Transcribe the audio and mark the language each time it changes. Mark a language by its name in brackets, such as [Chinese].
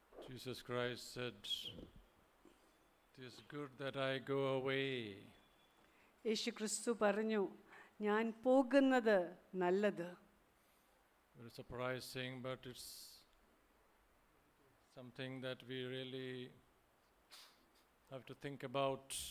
[English] Jesus Christ said, "It is good that I go away." [Malayalam] യേശു ക്രിസ്തു പറഞ്ഞു, ഞാൻ പോകുന്നത് നല്ലത്. [English] It is surprising, but it's something that we really have to think about.